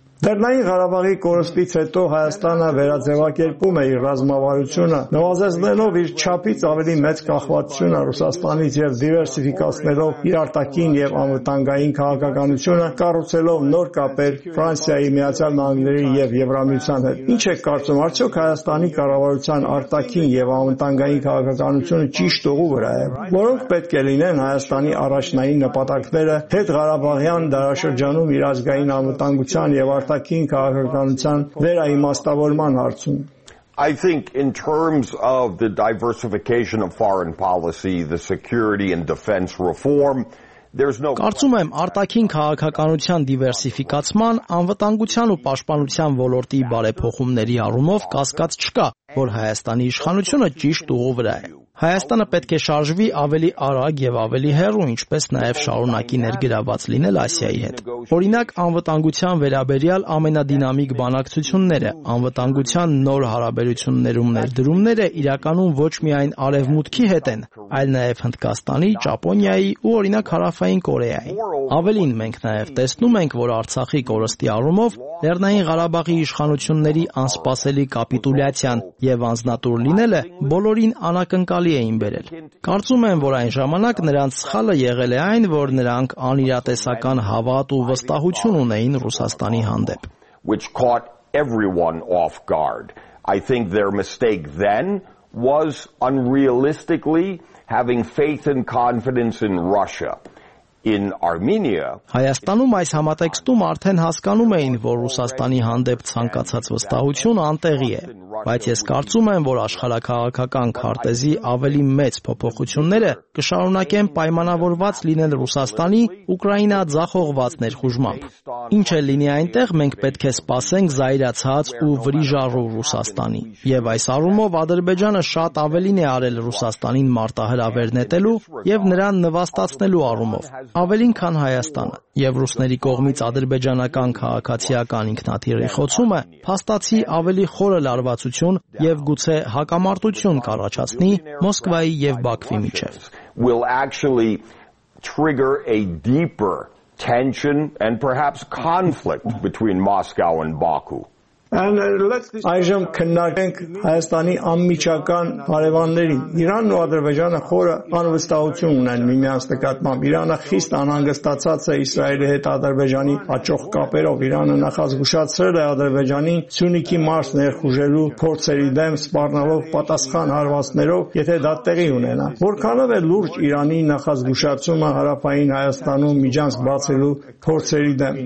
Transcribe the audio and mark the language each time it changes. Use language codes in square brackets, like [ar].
[hy] Դեռնային Ղարաբաղի կորստից հետո Հայաստանը վերաձևակերպում է իր ռազմավարությունը, նվազեցնելով իր չափից ավելի մեծ կախվածությունը Ռուսաստանից եւ դիվերսիֆիկացնելով իր արտաքին եւ անվտանգային քաղաքականությունը, կառուցելով նոր կապեր Ֆրանսիայի, Միացյալ Նահանգների եւ Եվրամիության հետ։ Ինչ եք կարծում, արդյոք Հայաստանի կառավարության արտաքին եւ անվտանգային քաղաքականությունը ճիշտ ուղու վրա է, որոնք պետք է լինեն Հայաստանի առաջնային նպատակները հետ Ղարաբաղյան դարաշրջանում իր ազգային անվտանգության եւ արտաքին քաղաքականության վերաիմաստավորման հարցում։ [en] I think in terms of the diversification of foreign policy, the security and defense reform, there's no [hy] Կարծում եմ, արտաքին քաղաքականության դիվերսիֆիկացման, անվտանգության ու պաշտպանության ոլորտի բարեփոխումների առումով կասկած չկա, որ Հայաստանի իշխանությունը ճիշտ ուղու վրա է։ Հայաստանը պետք է շարժվի ավելի արագ եւ ավելի հեռու, ինչպես նաեւ շարունակի ներգրաված լինել Ասիայի հետ։ Օրինակ, անվտանգության վերաբերյալ ամենադինամիկ բանակցությունները, անվտանգության նոր հարաբերություններում ներդրումները իրականում ոչ միայն Արևմուտքի հետ են, այլ նաեւ Հնդկաստանի, Ճապոնիայի ու օրինակ Հարավային Կորեայի։ Ավելին, մենք նաեւ տեսնում ենք, որ Արցախի կորստի առումով Լեռնային Ղարաբաղի իշխանությունների անսպասելի կապիտուլյացիան եւ անznատուր լինելը բոլորին անակնկալի կալի էին բերել։ Կարծում եմ, որ այն ժամանակ նրանց սխալը եղել է այն, որ նրանք անիրատեսական հավատ ու վստահություն ունեին Ռուսաստանի հանդեպ։ [en] Which caught everyone off guard. I think their mistake then was unrealistically having faith and confidence in Russia. In Armenia, [hy] Հայաստանում այս համատեքստում արդեն հասկանում էին, որ Ռուսաստանի հանդեպ ցանկացած վստահություն անտեղի է, բայց ես կարծում եմ, որ աշխարհակաղակական քարտեզի ավելի մեծ փոփոխությունները կշարունակեն պայմանավորված լինել Ռուսաստանի Ուկրաինա ձախողված ներխուժմամբ։ Ինչ էլ լինի այնտեղ, մենք պետք է սպասենք զայրացած ու վրիժառու Ռուսաստանի, եւ այս առումով Ադրբեջանը շատ ավելին է արել Ռուսաստանին մարտահրավեր նետելու եւ նրան նվաստացնելու առումով, ավելին քան Հայաստանը։ Եվ ռուսների կողմից ադրբեջանական քաղաքացիական ինքնաթիռի խոցումը փաստացի ավելի խորը լարվածություն եւ գուցե հակամարտություն կառաջացնի Մոսկվայի եւ Բաքվի միջեւ։ [en] Will actually trigger a deeper tension and perhaps conflict between Moscow and Baku. [hy] Այժմ քննարկենք Հայաստանի անմիջական հարևաններին։ Իրանն ու Ադրբեջանը խորը անվստահություն ունեն միմյանց նկատմամբ։ Իրանը խիստ անհանգստացած է Իսրայելի հետ Ադրբեջանի աճող կապերով։ Իրանը նախազգուշացրել է Ադրբեջանի Սյունիքի մարս ներխուժելու փորձերի դեմ սպառնալով պատասխան հարվածներով, եթե դա տեղի ունենա։ Որքանով է լուրջ Իրանի նախազգուշացումը հարավային Հայաստանում միջանցք բացելու փորձերի դեմ։